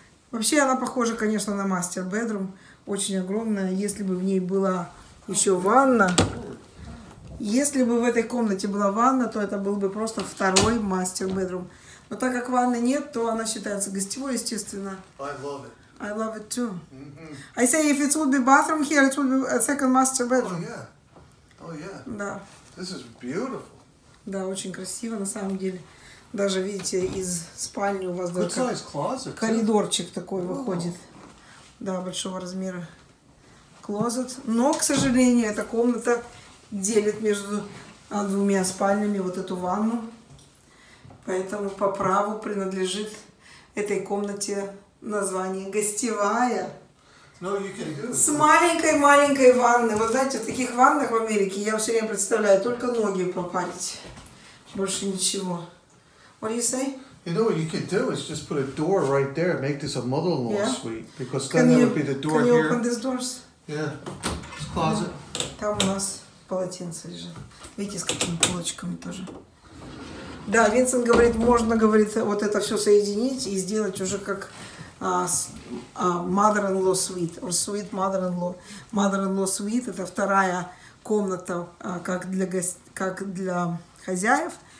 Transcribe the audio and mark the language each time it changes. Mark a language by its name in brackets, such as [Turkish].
[Russian] Вообще она похожа, конечно, на мастер bedroom. Очень огромная. Если бы в ней была еще ванна. Если бы в этой комнате была ванна, то это был бы просто второй мастер bedroom. Но так как ванны нет, то она считается гостевой, естественно. [English] I love it. I love it too. Mm-hmm. I say if it would be bathroom here, it would be a second master bedroom. Oh, yeah. Oh, yeah. [Russian] Да. [English] This is beautiful. [Russian] Да, очень красиво на самом деле. Даже видите, из спальни у вас даже коридорчик такой выходит. Да, большого размера. Клозет. Но, к сожалению, эта комната делит между двумя спальнями вот эту ванну. Поэтому по праву принадлежит этой комнате название гостевая. [English] No, you can do it. [Russian] С маленькой-маленькой ванной. Вот знаете, в таких ваннах в Америке я все время представляю, только ноги попарить. Больше ничего. [English] What do you say? You know what you could do is just put a door right there and make this a mother-in-law suite. Because then there would be the door here. Can you open these doors? Yeah. This closet. [Russian] Там у нас полотенце лежит. Видите, с какими полочками тоже. Да, Винсент говорит, можно, говорит, вот это все соединить и сделать уже как... [English] mother-in-law suite or suite mother-in-law. [Russian] Mother-in-law suite это вторая комната как для хозяев.